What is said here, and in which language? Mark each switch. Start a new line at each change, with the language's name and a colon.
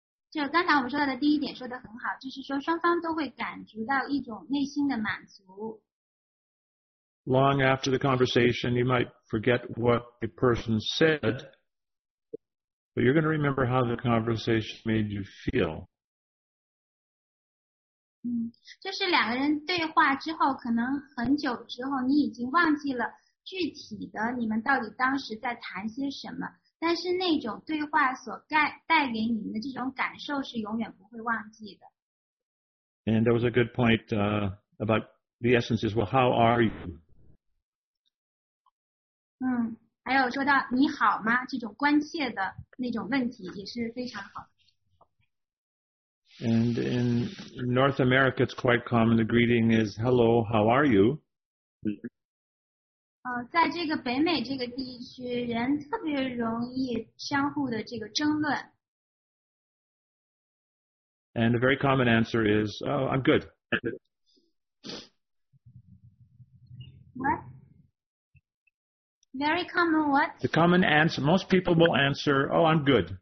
Chinese: 就刚才我们说到的第一点说得很好，就是说双方都会感觉到一种内心的满足。
English: Long after the conversation, you might forget what a person said, but you're going to remember how the conversation made you feel.
Chinese: 就是两个人对话之后，可能很久之后，你已经忘记了具体的你们到底当时在谈些什么，但是那种对话所带给你们的这种感受是永远不会忘记的。
English: And there was a good point about the essence is, well, how are you?
Chinese: 还有说到你好吗这种关切的那种问题也是非常好。
English: And in North America, it's quite common. The greeting is, hello, how are you?
Chinese: 在这个北美这个地区人特别容易相互的这个争论。
English: And a very common answer is, oh, I'm good. What? Very common what? The common answer, most people will answer, oh, I'm good.